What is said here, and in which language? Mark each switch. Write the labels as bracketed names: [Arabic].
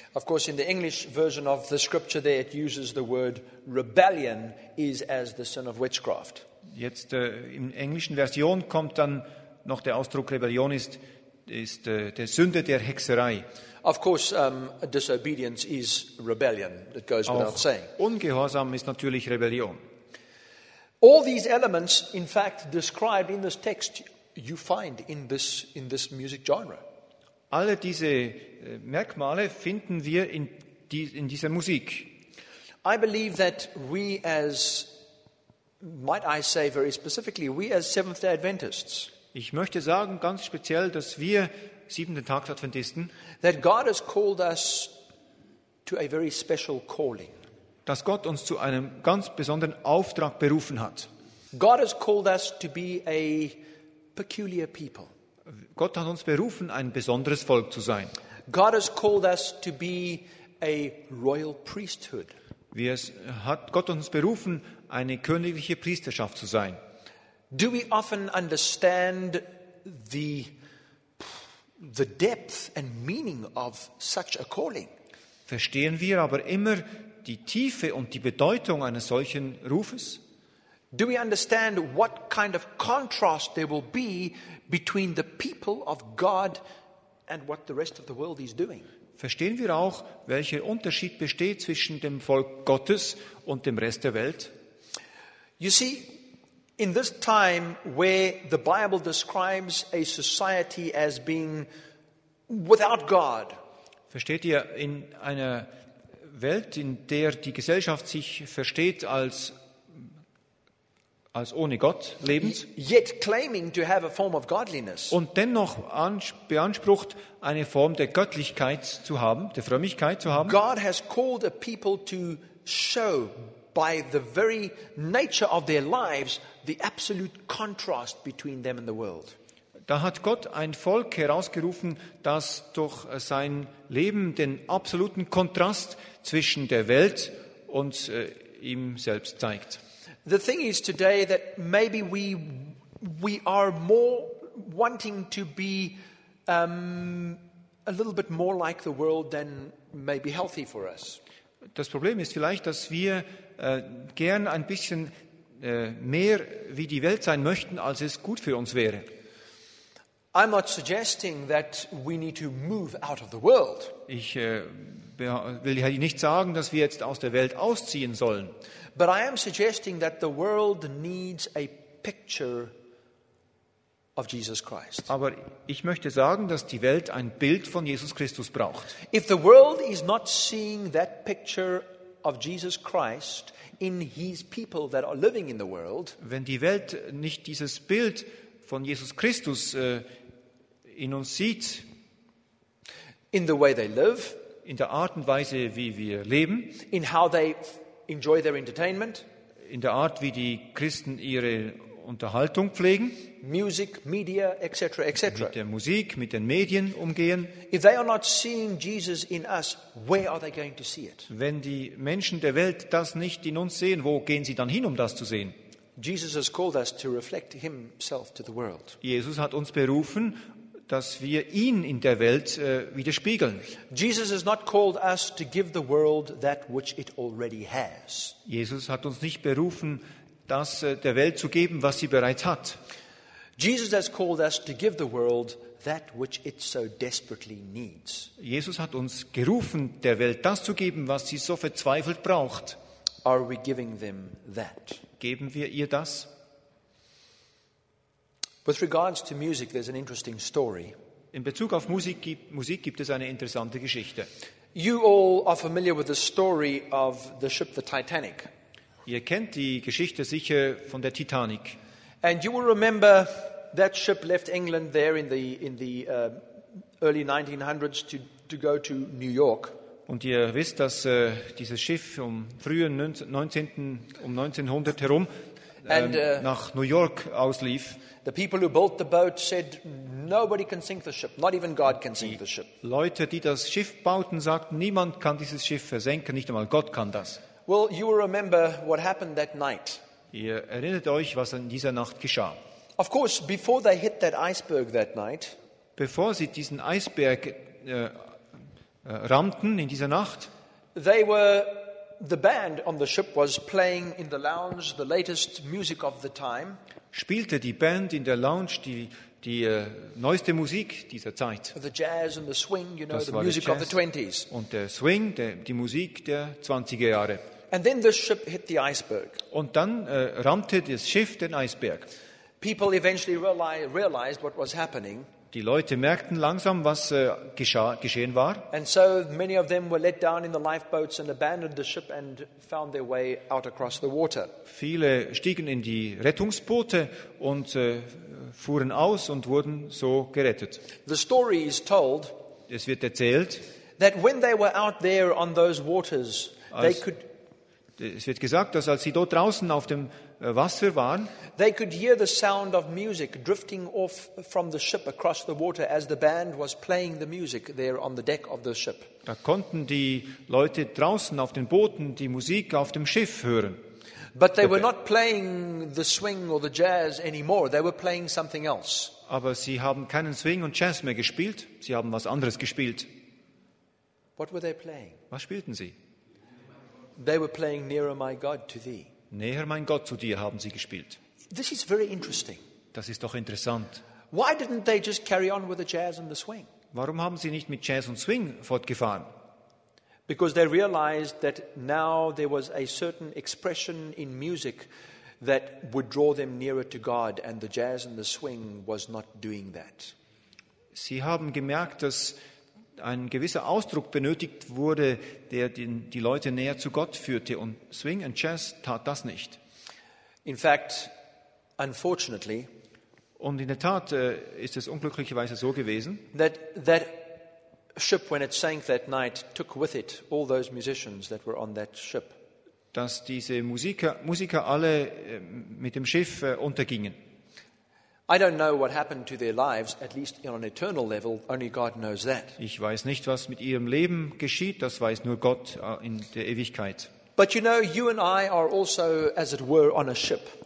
[English] Of course, in the English version of the scripture there, it uses the word rebellion is as the sin of witchcraft. [German] Jetzt im englischen Version kommt dann noch der Ausdruck Rebellion ist der Sünde der Hexerei. [English] Of course, disobedience is rebellion. It goes without [German] auch [English] saying. [German] Ungehorsam ist natürlich Rebellion. [English] All these elements, in fact, described in this text, you find in this music genre. [German] Alle diese Merkmale finden wir in dieser Musik. [English] I believe that we as, might I say very specifically, we as Seventh-day Adventists. [German] Ich möchte sagen ganz speziell, dass wir Siebenten-Tags-Adventisten, [English] that God has called us to a very special calling. [German] Dass Gott uns zu einem ganz besonderen Auftrag berufen hat. [English] God has called us to be a peculiar people. [German] Gott hat uns berufen, ein besonderes Volk zu sein. [English] God has called us to be a royal priesthood. [German] Hat Gott uns berufen, eine königliche Priesterschaft zu sein. [English] Do we often understand the depth and meaning of such a calling? [German] Verstehen wir aber immer die Tiefe und die Bedeutung eines solchen Rufes? [English] Do we understand what kind of contrast there will be between the people of God and what the rest of the world is doing? [German] Verstehen wir auch, welcher Unterschied besteht zwischen dem Volk Gottes und dem Rest der Welt? [English] You see, in this time where the Bible describes a society as being without God. [German] Versteht ihr, in einer Welt, in der die Gesellschaft sich versteht als ohne Gott lebend, [English] yet claiming to have a form of godliness. [German] Und dennoch beansprucht, eine Form der Göttlichkeit zu haben, der Frömmigkeit zu haben. [English] God has called a people to show by the very nature of their lives the absolute contrast between them and the world. [German] Da hat Gott ein Volk herausgerufen, das durch sein Leben den absoluten Kontrast zwischen der Welt und ihm selbst zeigt. [English] The thing is today that maybe we are more wanting to be a little bit more like the world than maybe healthy for us. [German] Das Problem ist vielleicht, dass wir gern ein bisschen mehr wie die Welt sein möchten, als es gut für uns wäre. [English] I'm not suggesting that we need to move out of the world. [German] Ich will ja nicht sagen, dass wir jetzt aus der Welt ausziehen sollen. [English] But I am suggesting that the world needs a picture of Jesus Christ. [German] Aber ich möchte sagen, dass die Welt ein Bild von Jesus Christus braucht. [English] If the world is not seeing that picture of Jesus Christ in his people that are living in the world, [German] wenn die Welt nicht dieses Bild von Jesus Christus in uns sieht, [English] in the way they live, [German] in der Art und Weise, wie wir leben, [English] in how they enjoy their entertainment, [German] in der Art, wie die Christen ihre Unterhaltung pflegen, [English] Music, Media, etc., etc., [German] mit der Musik, mit den Medien umgehen. [English] If they are not seeing Jesus in us, where are they going to see it? [German] Wenn die Menschen der Welt das nicht in uns sehen, wo gehen sie dann hin, um das zu sehen? [English] Jesus has called us to reflect himself to the world. [German] Jesus hat uns berufen, dass wir ihn in der Welt widerspiegeln. [English] Jesus has not called us to give the world that which it already has. [German] Jesus hat uns nicht berufen, das der Welt zu geben, was sie bereits hat. [English] Jesus has called us to give the world that which it so desperately needs. [German] Jesus hat uns gerufen, der Welt das zu geben, was sie so verzweifelt braucht. [English] Are we giving them that? [German] Geben wir ihr das? [English] With regards to music, there's an interesting story. [German] In Bezug auf Musik gibt es eine interessante Geschichte. [English] You all are familiar with the story of the ship, the Titanic. [German] Ihr kennt die Geschichte sicher von der Titanic. [English] And you will remember that ship left England there in the early 1900s to go to New York. [German] Und ihr wisst, dass dieses Schiff im frühen 1900 herum nach New York auslief. [English] The people who built the boat said nobody can sink the ship, not even God can sink the ship. [German] Leute, die das Schiff bauten, sagten, niemand kann dieses Schiff versenken, nicht einmal Gott kann das. [English] Well, you will remember what happened that night. [German] Ihr erinnert euch, was in dieser Nacht geschah. [English] Of course, before they hit that iceberg that night, [German] bevor sie diesen Eisberg rammten in dieser Nacht, [English] they were, the band on the ship was playing in the lounge the latest music of the time. [German] Spielte die Band in der Lounge die neueste Musik dieser Zeit. [English] The jazz and the swing, you know, the music of the 20s. [German] Und der Swing, die Musik der 20er Jahre. [English] And then the ship hit the iceberg. [German] Und dann rammte das Schiff den Eisberg. [English] People eventually realized what was happening. [German] Die Leute merkten langsam, was geschehen war. [English] And so many of them were let down in the lifeboats and abandoned the ship and found their way out across the water. [German] Viele stiegen in die Rettungsboote und fuhren aus und wurden so gerettet. [English] The story is told. [German] Es wird erzählt. [English] That when they were out there on those waters, they could. [German] Es wird gesagt, dass als sie dort draußen auf dem Wasser waren, [English] they could hear the sound of music drifting off from the ship across the water as the band was playing the music there on the deck of the ship. [German] Da konnten die Leute draußen auf den Booten die Musik auf dem Schiff hören. [English] But they were not playing the swing or the jazz anymore. They were playing something else. [German] Aber sie haben keinen Swing und Jazz mehr gespielt. Sie haben was anderes gespielt. [English] What were they playing? [German] Was spielten sie? [English] They were playing Nearer My God to Thee. [German] Näher mein Gott zu dir haben sie gespielt. [English] This is very interesting. [German] Das ist doch interessant. [English] Why didn't they just carry on with the jazz and the swing? [German] Warum haben sie nicht mit Jazz und Swing fortgefahren? [English] Because they realized that now there was a certain expression in music that would draw them nearer to God, and the jazz and the swing was not doing that. [German] Sie haben gemerkt, dass ein gewisser Ausdruck benötigt wurde, der die Leute näher zu Gott führte, und Swing and Jazz tat das nicht. [English] In fact, unfortunately, [German] und in der Tat ist es unglücklicherweise so gewesen, [English] that ship, when it sank that night, took with it all those musicians that were on that ship. [German] Dass diese Musiker alle mit dem Schiff untergingen. [English] I don't know what happened to their lives, at least on an eternal level, only God knows that. [German] Ich weiß nicht, was mit ihrem Leben geschieht, das weiß nur Gott in der Ewigkeit. [English] But you know, you and I are also, as it were, on a ship.